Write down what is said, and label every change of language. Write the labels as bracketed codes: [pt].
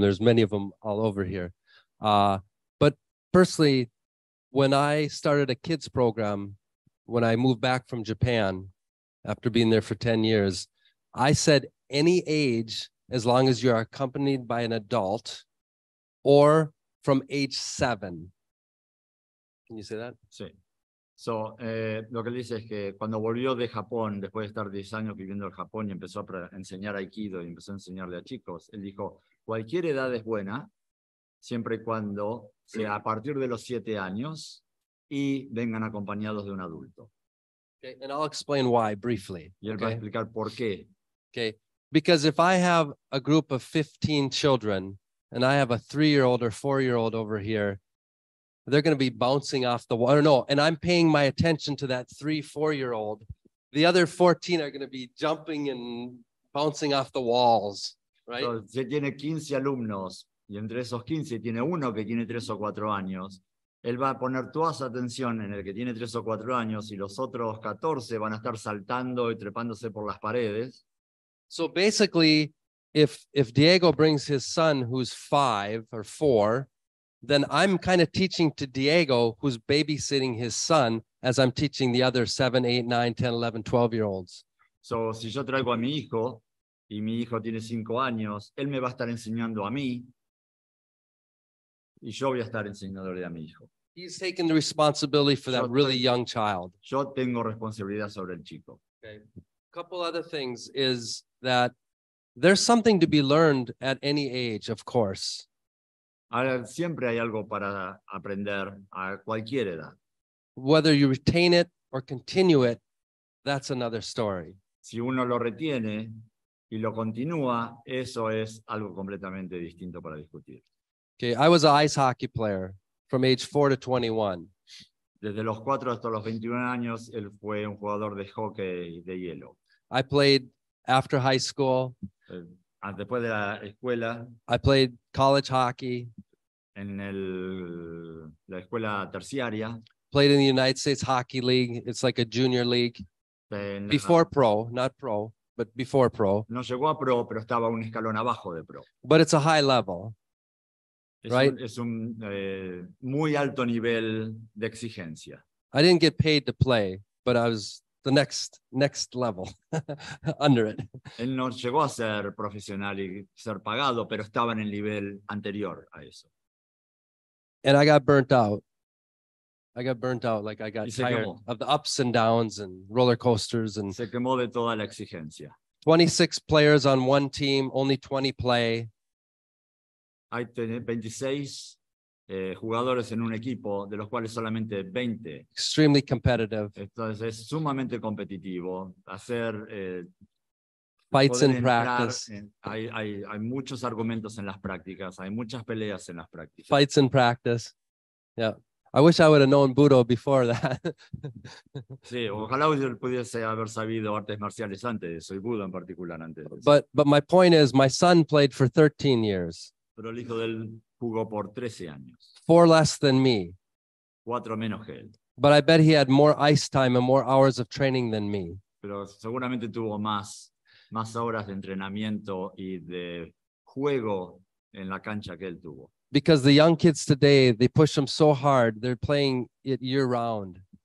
[en] There's many of them all over here. But personally, when I started a kids program, when I moved back from Japan after being there for 10 years, I said any age, as long as you're accompanied by an adult or from age 7. Can you say that? [es] Sí. So, lo que dice es que cuando volvió de Japón, después de estar 10 años viviendo en Japón y empezó a enseñar Aikido y empezó a enseñarle a chicos, él dijo, cualquier edad es buena, siempre y cuando sea a partir de los 7 años y vengan acompañados de un adulto. [en] Okay, and I'll explain why briefly. [es] Y él va a explicar por qué. [en] Okay, because if I have a group of 15 children and I have a 3-year-old or 4-year-old over here, they're going to be bouncing off the wall. I don't know. And I'm paying my attention to that 3-4-year-old. The other 14 are going to be jumping and bouncing off the walls, right? [es] So, se tiene 15 alumnos. Y entre esos 15 tiene uno que tiene 3 o 4 años. Él va a poner toda su atención en el que tiene 3 o 4 años y los otros 14 van a estar saltando y trepándose por las paredes. [en] So basically, if Diego brings his son who's 5 or 4, then I'm kind of teaching to Diego who's babysitting his son as I'm teaching the other 7, 8, 9, 10, 11, 12-year-olds. [es] So si yo traigo a mi hijo y mi hijo tiene 5 años, él me va a estar enseñando a mí. Y yo voy a estar enseñándole a mi hijo. [en] He's taking the responsibility for that really young child. [es] Yo tengo responsabilidad sobre el chico. [en] Okay. A couple other things is that there's something to be learned at any age, of course. [es] Ahora, siempre hay algo para aprender a cualquier edad. [en] Whether you retain it or continue it, that's another story. [es] Si uno lo retiene y lo continúa, eso es algo completamente distinto para discutir. [en] Okay, I was an ice hockey player from age 4 to 21. [es] Desde los 4 hasta los 21 años, él fue un jugador de hockey de hielo. [en] I played after high school. [es] Después de la escuela. [en] I played college hockey. [es] En el, la escuela terciaria. [en] Played in the United States Hockey League. It's like a junior league. Before pro, not pro, but before pro. [es] No llegó a pro, pero estaba un escalón abajo de pro. [en] But it's a high level. Right? [es] Es un muy alto nivel de exigencia. [en] I didn't get paid to play, but I was the next level under it. [es] Él no llegó a ser profesional y ser pagado, pero estaba en el nivel anterior a eso. [en] And I got burnt out. I got burnt out, like I got tired of the ups and downs and roller coasters. And [es] se quemó de toda la exigencia. [en] 26 players on one team, only 20 play. [es] Hay 26 jugadores en un equipo, de los cuales solamente 20. [en] Extremely competitive. [es] Entonces es sumamente competitivo. Hacer [en] fights in practice. [es] Hay muchos argumentos en las prácticas. Hay muchas peleas en las prácticas. [en] Fights in practice. Yeah. I wish I would have known Budo before that. [es] Sí, ojalá yo pudiese haber sabido artes marciales antes de eso, y Budo en particular antes. [en] But my point is, my son played for 13 years. [es] Pero el hijo de él jugó por 13 años. [en] 4 less than me. [es] 4 menos que él. [en] But I bet he had more ice time and more hours of training than me. [es] Pero seguramente tuvo más horas de entrenamiento y de juego en la cancha que él tuvo. [en] Because the young kids today, they push them so hard, they're playing it year round.